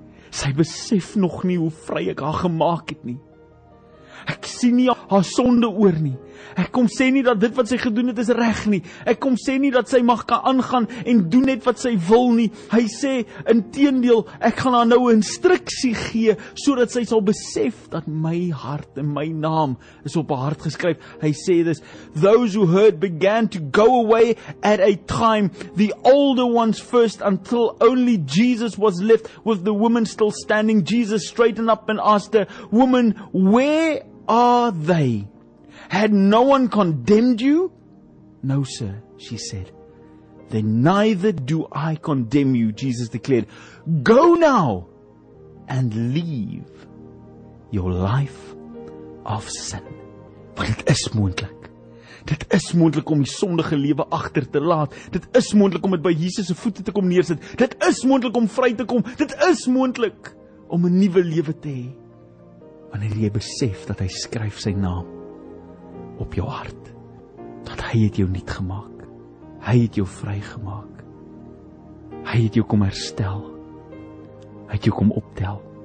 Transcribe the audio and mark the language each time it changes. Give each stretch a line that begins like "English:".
Afrikaans: Sy besef nog nie hoe vry ek haar gemaak het nie. Ek sien nie haar sonde oor nie. Ek kom sê nie dat dit wat sy gedoen het is reg nie. Ek kom sê nie dat sy mag kan aangaan en doen net wat sy wil nie. Hy sê, inteendeel, ek gaan haar nou 'n instruksie gee, sodat sy sal besef dat my hart en my naam is op haar hart geskryf. Hy sê dus,
English: those who heard began to go away at a time, the older ones first, until only Jesus was left, with the woman still standing. Jesus straightened up and asked her, woman, where are they? Had no one condemned you? No, sir, she said. Then neither do I condemn you, Jesus declared. Go now and leave your life of sin.
Afrikaans: Want dit is moontlik. Dit is moontlik om die sondige lewe agter te laat. Dit is moontlik om dit by Jesus se voete te kom neersit. Dit is moontlik om vry te kom. Dit is moontlik om 'n nuwe lewe te hê. Wanneer jy besef dat hy skryf sy naam op jou hart, dat hy het jou nuut gemaak, hy het jou vry gemaak, hy het jou kom herstel, hy het jou kom optel.